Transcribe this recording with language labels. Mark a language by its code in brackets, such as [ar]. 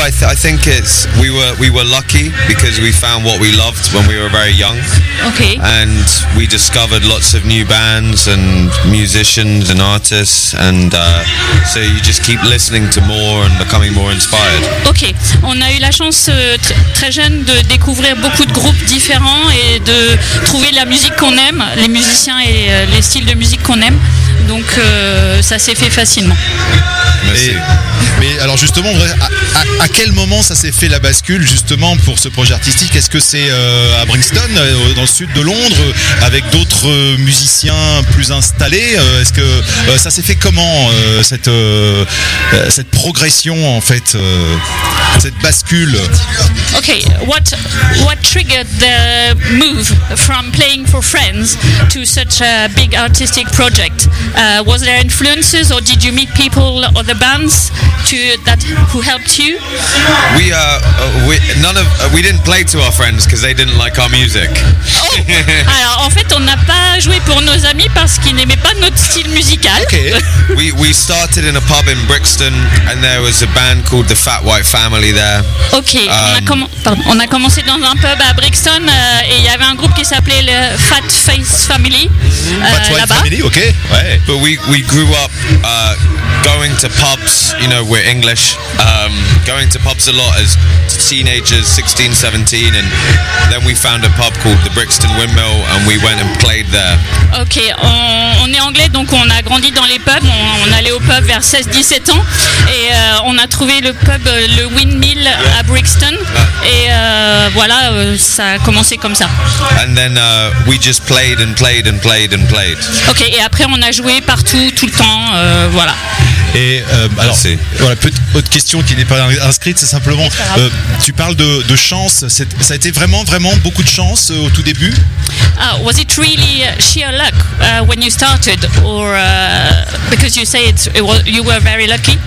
[en] I think it's we were lucky because we found what we loved when we were very young. Okay. And we discovered lots of new bands and musicians and artists, and so you just keep listening to more and becoming more inspired. Okay. [fr] On a eu la chance très jeune de découvrir beaucoup de groupes différents et de trouver la musique qu'on aime, les musiciens et les styles de musique qu'on aime. Donc ça s'est fait facilement. Merci. Mais alors justement, à quel moment ça s'est fait la bascule justement pour ce projet artistique? Est-ce que c'est à Brixton, dans le sud de Londres, avec d'autres musiciens plus installés? Est-ce que ça s'est fait comment, cette progression en fait, cette bascule? [en] Ok, what triggered the move from playing for friends to such a big artistic project? Was there influences or did you meet people or the bands to that who helped you? We didn't play to our friends because they didn't like our music. Oh. [fr] Alors en fait, on n'a pas joué pour nos amis parce qu'ils n'aimaient pas notre style musical. [en] Okay. We started in a pub in Brixton and there was a band called the Fat White Family there. Okay. [fr] On a commencé dans un pub à Brixton et il y avait un groupe qui s'appelait le Fat Face Family. [en] Fat White [fr] là-bas. [en] Family, okay. [fr] Ouais. [en] But we grew up going to pubs, you know, we're English, going to pubs a lot as teenagers, 16, 17, and then we found a pub called the Brixton Windmill, and we went and played there. [fr] Okay, on est anglais, donc on a grandi dans les pubs, on allait au pub vers 16, 17 ans, et on a trouvé le pub, le Windmill, yeah, à Brixton, yeah, et voilà, ça a commencé comme ça. [en] And then we just played and played and played and played. [fr] Okay, et après on a joué partout, tout le temps, voilà. Et alors, voilà, autre question qui n'est pas inscrite, c'est simplement, tu parles de chance, ça a été vraiment, vraiment beaucoup de chance au tout début. [en] Was it really sheer luck when you started, or because you say you were very lucky?